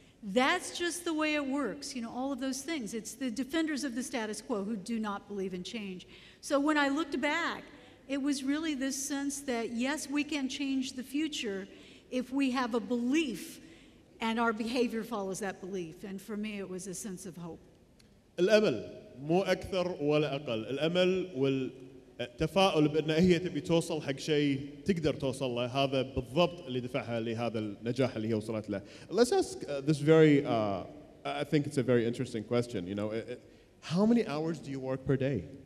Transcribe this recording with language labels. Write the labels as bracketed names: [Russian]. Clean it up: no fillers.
[English] That's just the way it works, you know, all of those things. It's the defenders of the status quo who do not believe in change. So when I looked back, it was really this sense that, yes, we can change the future if we have a belief and our behavior follows that belief. And for me, it was a sense of hope. [Arabic] الأمل مو أكثر ولا أقل. الأمل والتفاؤل بأن هي تبي توصل حق شيء تقدر توصل له. هذا بالضبط اللي دفعها لهذا النجاح اللي هي وصلت له. [English] Let's ask this very, I think it's a very interesting question. You know, how many hours do you work per day?